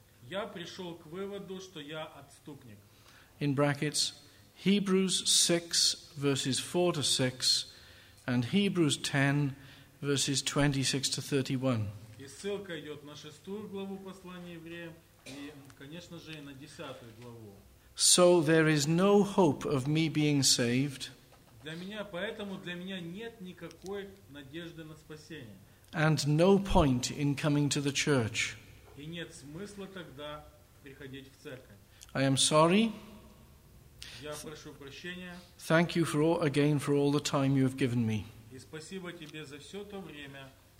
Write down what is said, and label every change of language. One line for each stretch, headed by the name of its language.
Russian: Я пришел к выводу, что я отступник.
English: In brackets, Hebrews 6, verses 4 to 6, and Hebrews 10, verses 26 to 31.
Russian: И ссылка идет на шестую главу послания евреям и, конечно же, и на десятую главу.
English: So there is no hope of me being saved.
Russian: Для меня, поэтому для меня нет никакой надежды на спасение.
English: And no point in coming to the church.
Russian: И нет смысла тогда приходить в церковь.
English: I am sorry.
Russian: Я прошу прощения.
English: Thank you for all, again for all the time you have given me.
Russian: И спасибо тебе за все то время.